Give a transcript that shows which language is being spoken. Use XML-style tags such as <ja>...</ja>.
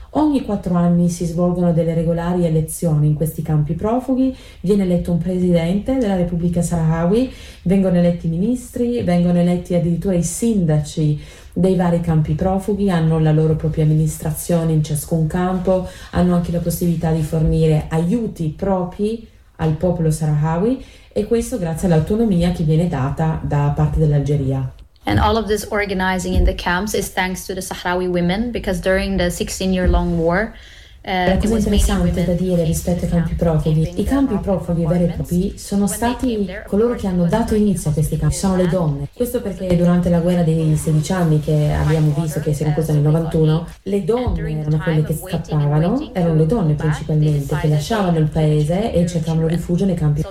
<it>Ogni 4 anni si svolgono delle regolari elezioni in questi campi profughi, viene eletto un presidente della Repubblica Sahrawi, vengono eletti ministri, vengono eletti addirittura i sindaci dei vari campi profughi, hanno la loro propria amministrazione in ciascun campo, hanno anche la possibilità di fornire aiuti propri al popolo Sahrawi, e questo grazie all'autonomia che viene data da parte dell'Algeria.</it> <en>And all of this organizing in the camps is thanks to the Sahrawi women, because during the 16-year-long war,</en> <it>La cosa interessante da dire rispetto ai campi profughi, i campi profughi veri e propri sono stati coloro che hanno dato inizio a questi campi, sono le donne. Questo perché durante la guerra dei 16 anni, che abbiamo visto che si è conclusa nel 91, le donne erano quelle che scappavano, erano le donne principalmente che lasciavano il paese e cercavano rifugio nei campi.</it>